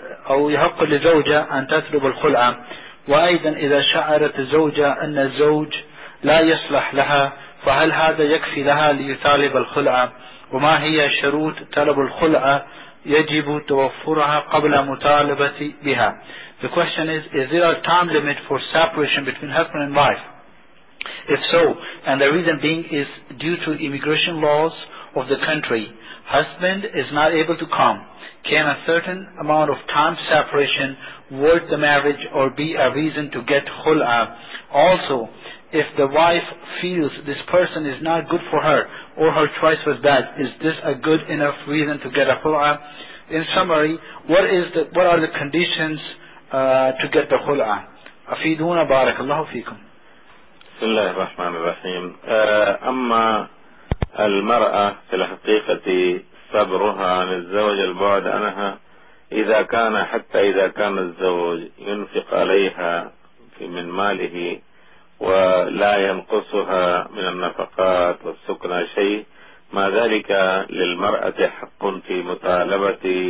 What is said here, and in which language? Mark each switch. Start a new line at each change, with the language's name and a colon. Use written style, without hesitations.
Arabic: أو يحق لزوجة أن تطلب الخلع وأيضا إذا شعرت الزوجة أن الزوج لا يصلح لها فهل هذا يكفي لها ليطالب الخلعة وما هي شروط طلب الخلعة يجب توفرها قبل مطالبة بها.
English: The question is there a time limit for separation between husband and wife? If so, and the reason being is due to immigration laws of the country, husband is not able to come. Can a certain amount of time separation worth the marriage or be a reason to get khul'a? Also, if the wife feels this person is not good for her or her choice was bad, is this a good enough reason to get a khul'a? In summary, what are the conditions to get the khul'a?
Arabic: Afiduna barakallahu feekum. بسم الله الرحمن الرحيم. أما المرأة في الحقيقة صبرها عن الزوج البعد عنها إذا كان حتى إذا كان الزوج ينفق عليها من ماله ولا ينقصها من النفقات والسكنى شيء، ما ذلك للمرأة حق في مطالبة